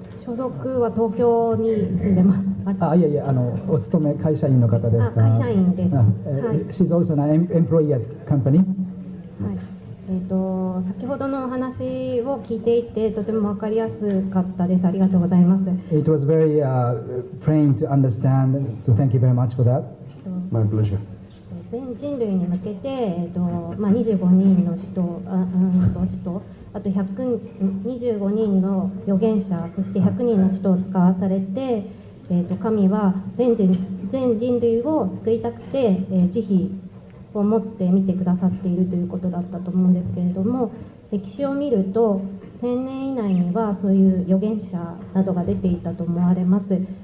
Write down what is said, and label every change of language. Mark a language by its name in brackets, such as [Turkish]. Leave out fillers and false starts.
[Japanese] 所属は東京に住んでます。あ、いやいや、お勤め会社員の方ですか。会社員です。はい。 [English] She's also an employee at company。 [Japanese] 先ほどのお話を聞いていてとても分かりやすかったです。ありがとうございます。 [English] It was very plain to understand, so thank you very much for that. My pleasure. [Japanese] 全人類に向けて、25人の使徒、あと125人の預言者、そして100人の使徒を使わされて、神は全人類を救いたくて、慈悲を持って見てくださっているということだったと思うんですけれども、歴史を見ると1000年以内にはそういう預言者などが出ていたと思われます。